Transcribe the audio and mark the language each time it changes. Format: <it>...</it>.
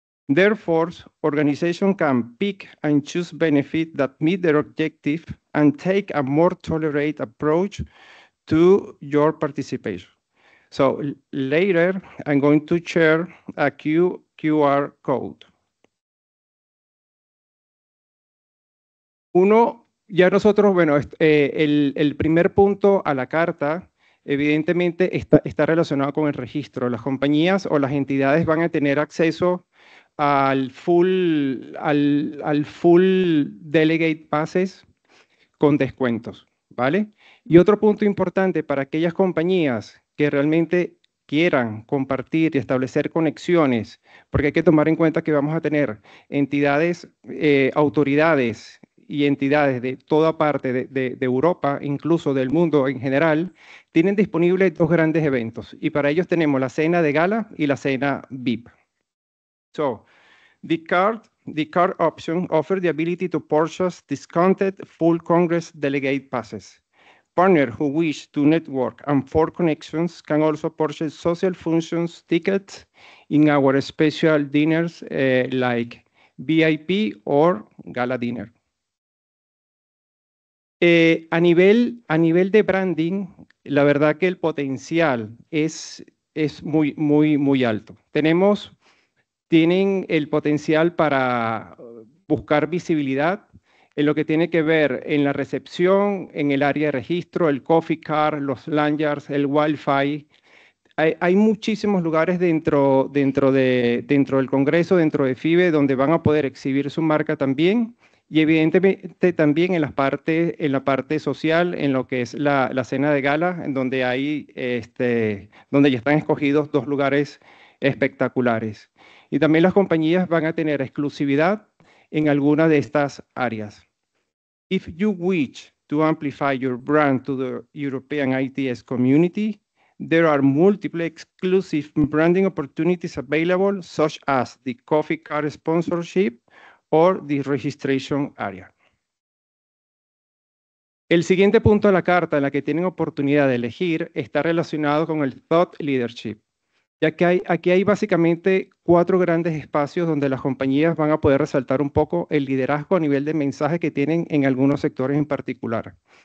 <en>Therefore, organizations can pick and choose benefits that meet their objective and take a more tolerate approach to your participation. So, later, I'm going to share a QR code.</en> <es>Uno, ya nosotros, bueno, el primer punto a la carta, evidentemente está relacionado con el registro. Las compañías o las entidades van a tener acceso al</es> <en>full delegate passes</en> <es>con descuentos, ¿vale? Y otro punto importante para aquellas compañías que realmente quieran compartir y establecer conexiones, porque hay que tomar en cuenta que vamos a tener entidades, autoridades y entidades de toda parte de Europa, incluso del mundo en general, tienen disponibles dos grandes eventos. Y para ellos tenemos la cena de gala y la cena VIP.</es> <en>So, the card option offers the ability to purchase discounted full Congress delegate passes. Partners who wish to network and form connections can also purchase social functions tickets in our special dinners like VIP or gala dinner.</en> <es>A nivel de branding, la verdad que el potencial es muy, muy, muy alto. Tienen el potencial para buscar visibilidad en lo que tiene que ver en la recepción, en el área de registro, el coffee car, los lanyards, el wifi. Hay muchísimos lugares dentro del Congreso, dentro de FIBE, donde van a poder exhibir su marca también. Y evidentemente también en la parte social, en lo que es la cena de gala, en donde hay donde ya están escogidos dos lugares espectaculares. Y también las compañías van a tener exclusividad en alguna de estas áreas.</es> <en>If you wish to amplify your brand to the European ITS community, there are multiple exclusive branding opportunities available, such as the coffee car sponsorship or the registration area.</en> <es>El siguiente punto de la carta en la que tienen oportunidad de elegir está relacionado con el thought leadership. Ya que aquí hay básicamente cuatro grandes espacios donde las compañías van a poder resaltar un poco el liderazgo a nivel de mensaje que tienen en algunos sectores en particular.</es>